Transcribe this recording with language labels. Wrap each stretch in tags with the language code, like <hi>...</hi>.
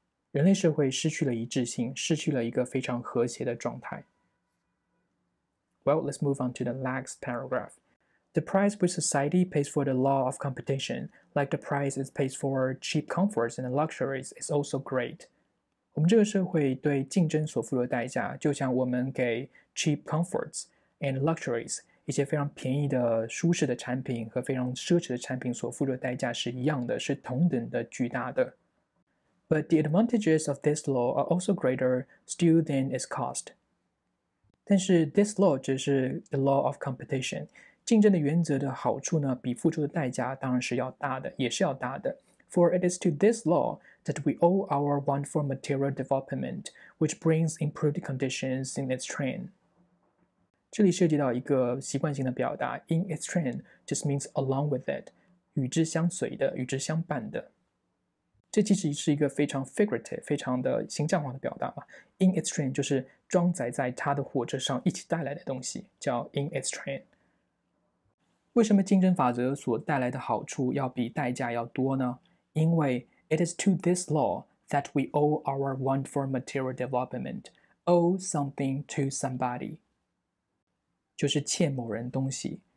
<zh>人类社会失去了一致性，失去了一个非常和谐的状态。</zh> <en>Well, let's move on to the next paragraph. The price which society pays for the law of competition. Like the price it pays for cheap comforts and luxuries is also great。</en> <zh>我们这个社会对竞争所付出的代价，就像我们给</zh> <en>cheap comforts and luxuries</en> <zh>一些非常便宜的、舒适的产品和非常奢侈的产品所付出的代价是一样的，是同等的、巨大的。</zh> <en>But the advantages of this law are also greater still than its cost。</en> <zh>但是</zh> <en>this law</en> <zh>就是</zh> <en>the law of competition。</en> <zh>竞争的原则的好处呢，比付出的代价当然是要大的，也是要大的。</zh> <en>For it is to this law that we owe our want for material development, which brings improved conditions in its train。</en> <zh>这里涉及到一个习惯性的表达，</zh> <en>in its train just means along with it，</en> <zh>与之相随的，与之相伴的。这其实是一个非常 figurative、非常的形象化的表达嘛。</zh> <en>In its train</en> <zh>就是装载在它的火车上一起带来的东西，叫</zh> <en>in its train。</en> <zh>为什么竞争法则所带来的好处要比代价要多呢？因为</zh> <en>it is to this law that we owe our want for material development, owe something to somebody，</en> <zh>就是欠某人东西。</zh>